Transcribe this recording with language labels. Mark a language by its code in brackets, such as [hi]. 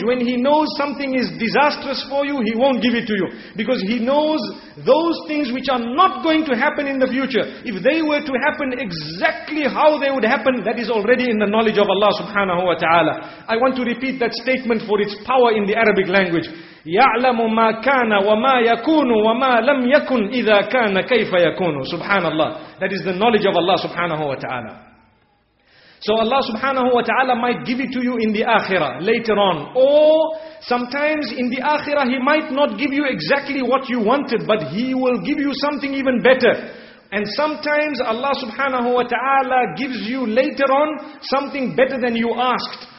[en] When He knows something is disastrous for you, He won't give it to you. Because He knows those things which are not going to happen in the future. If they were to happen exactly how they would happen, that is already in the knowledge of Allah subhanahu wa ta'ala. I want to repeat that statement for its power in the Arabic language. [ar] يَعْلَمُ مَا كَانَ وَمَا يَكُونُ وَمَا لَمْ يَكُنْ إِذَا كَانَ كَيْفَ يَكُونُ Subhanallah. [en] That is the knowledge of Allah subhanahu wa ta'ala. So Allah subhanahu wa ta'ala might give it to you in the akhirah later on. Or sometimes in the akhirah He might not give you exactly what you wanted, but He will give you something even better. And sometimes Allah subhanahu wa ta'ala gives you later on something better than you asked.